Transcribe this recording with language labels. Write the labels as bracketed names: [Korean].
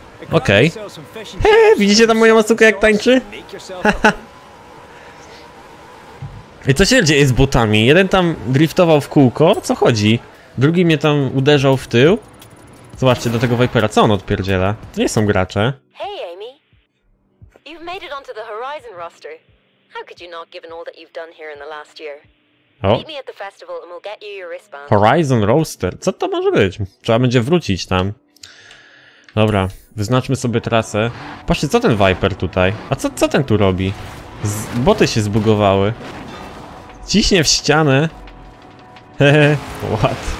[Polish] Okej. He, widzicie tam moją masukę jak tańczy? I co się dzieje z butami? Jeden tam driftował w kółko, co chodzi? Drugi mnie tam uderzał w tył. Zobaczcie, do tego Vipera, co on odpierdziela? To nie są gracze. Hej, Amy. [English] You've made it onto the Horizon roster. How could you not, given all that you've done here in the last year? Meet me at the festival and we'll get you your wristband. [Polish] Horizon roster? Co to może być? Trzeba będzie wrócić tam. Dobra, wyznaczmy sobie trasę. Patrzcie, co ten Viper tutaj? A co ten tu robi? Boty się zbugowały. Ciśnie w ścianę. Hehe, what?